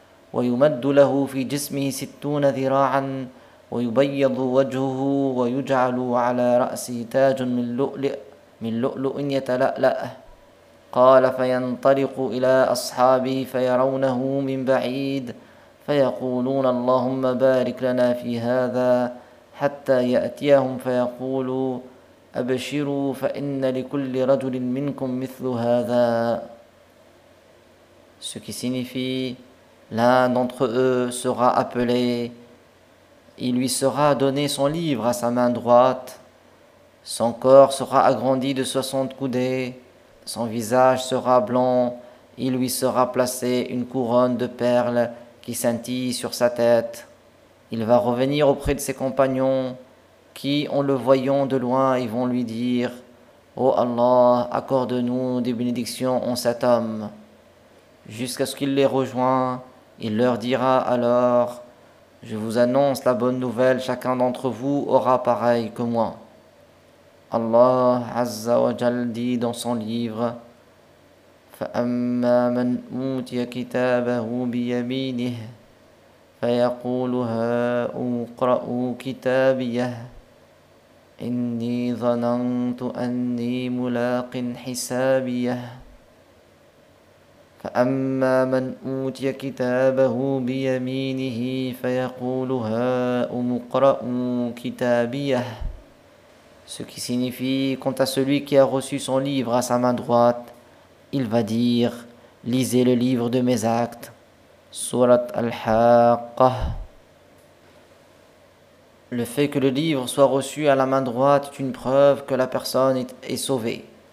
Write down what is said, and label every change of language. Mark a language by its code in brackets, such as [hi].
[ar] ويمد له في جسمه 60 ذراعا ويبيض وجهه ويجعل على رأسه تاج من لؤلؤ يتلألأ قال فينطلق إلى أصحابه فيرونه من بعيد فيقولون اللهم بارك لنا في هذا حتى يأتيهم فيقولوا أبشروا فإن لكل رجل منكم مثل هذا. [fr] Ce qui signifie: l'un d'entre eux sera appelé, il lui sera donné son livre à sa main droite, son corps sera agrandi de 60 coudées, son visage sera blanc, il lui sera placé une couronne de perles qui scintille sur sa tête. Il va revenir auprès de ses compagnons, qui, en le voyant de loin, ils vont lui dire: ô Allah, accorde-nous des bénédictions en cet homme, jusqu'à ce qu'il les rejoigne. Il leur dira alors: je vous annonce la bonne nouvelle, chacun d'entre vous aura pareil que moi. Allah Azza wa Jal dit dans son livre: [ar] فَأَمَّا مَنْ أُوتِيَ كِتَابَهُ بِيَمِينِهِ فَيَقُولُ هَا أُقْرَأُ كِتَابِيَهْ إِنِّي ظَنَنْتُ أَنِّي مُلَاقٍ حِسَابِيَهْ فَأَمَّا مَنْ أُوتِيَ كِتَابَهُ بِيَمِينِهِ فَيَقُولُ هَاؤُمُ اقْرَءُوا كِتَابِيَهْ. [fr] Ce qui signifie: quant à celui qui a reçu son livre à sa main droite, il va dire: lisez le livre de mes actes. Surat al-Haqqah. Le fait que le livre soit reçu à la main droite est une preuve que la personne est sauvée.